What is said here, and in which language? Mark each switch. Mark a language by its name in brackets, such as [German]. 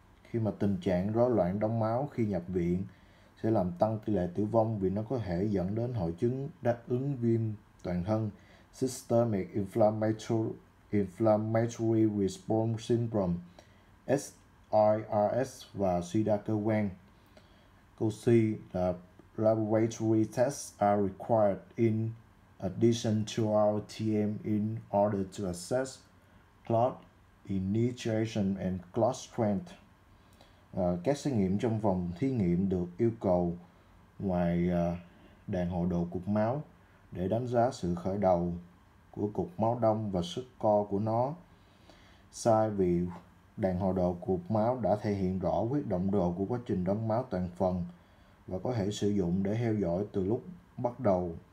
[Vietnamese] Khi mà tình trạng rối loạn đông máu khi nhập viện sẽ làm tăng tỷ lệ tử vong vì nó có thể dẫn đến hội chứng đáp ứng viêm toàn thân, systemic inflammatory response syndrome, SIRS, và suy đa cơ quan. Câu C là [English] laboratory tests are required in addition to ROTM in order to assess clot initiation and clot strength. [Vietnamese] Các xét nghiệm trong phòng thí nghiệm được yêu cầu ngoài đàn hồi đồ cục máu để đánh giá sự khởi đầu của cục máu đông và sức co của nó. Sai vì đàn hồi đồ cục máu đã thể hiện rõ huyết động đồ của quá trình đông máu toàn phần và có thể sử dụng để theo dõi từ lúc bắt đầu